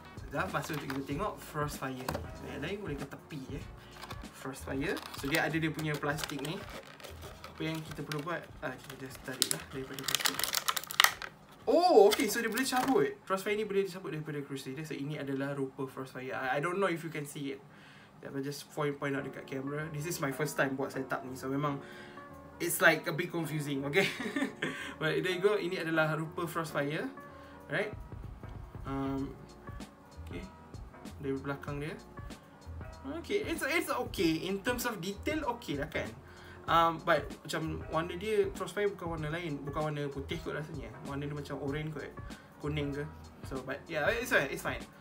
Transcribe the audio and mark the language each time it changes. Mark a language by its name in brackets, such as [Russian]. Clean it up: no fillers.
[Malay] Dah pasal untuk kita tengok Frostfire ni. Yang lain boleh ke tepi je. Frostfire. So dia ada dia punya plastik ni. Apa yang kita perlu buat? Kita just tarik lah daripada plastik. Oh, okay. So dia boleh cabut. Frostfire ni boleh dicabut daripada Crusader. So ini adalah rupa Frostfire. [English] I don't know if you can see it. I'm just point out [Malay] dekat [English] camera. This is my first time [Malay] buat setup ni. [English] So [Malay] memang [English] it's like a bit confusing. Okay. But there you go. [Malay] Ini adalah rupa Frostfire. Right, okay, dari belakang dia, okay, [English] it's okay in terms of detail, [Malay] okay lah kan, but macam warna dia Frostfire bukan warna lain, bukan warna putih kot rasanya, warna dia macam orange kot, kuning ke, so [English] but yeah, it's fine.